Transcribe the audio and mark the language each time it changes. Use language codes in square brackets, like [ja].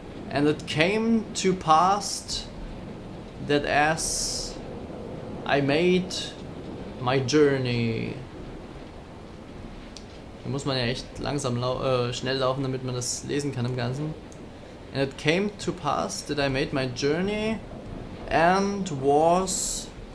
[en] And it came to pass that as I made my journey. [de] Da muss man ja echt langsam schnell laufen, damit man das lesen kann im Ganzen. [en] And it came to pass that I made my journey and was...